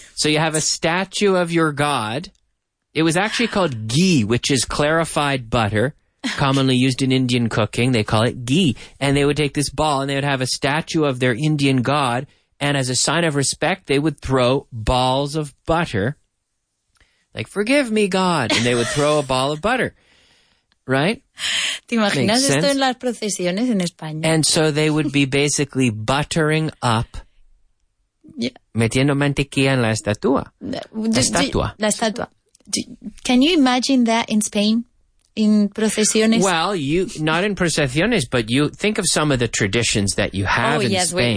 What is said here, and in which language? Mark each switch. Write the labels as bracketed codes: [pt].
[en] So you have a statue of your god. It was actually called ghee, which is clarified butter, commonly used in Indian cooking. They call it ghee. And they would take this ball and they would have a statue of their Indian god. And as a sign of respect, they would throw balls of butter. Like, forgive me, God. And they would throw a ball of butter. Right? [es] ¿Te imaginas esto en las procesiones en España? [en] And so they would be basically buttering up. Yeah. [es] Metiendo mantequilla en la estatua. La estatua. [en] Can you imagine that in Spain? in procesiones. Well, you not in procesiones, but you think of some of the traditions that you have in Spain.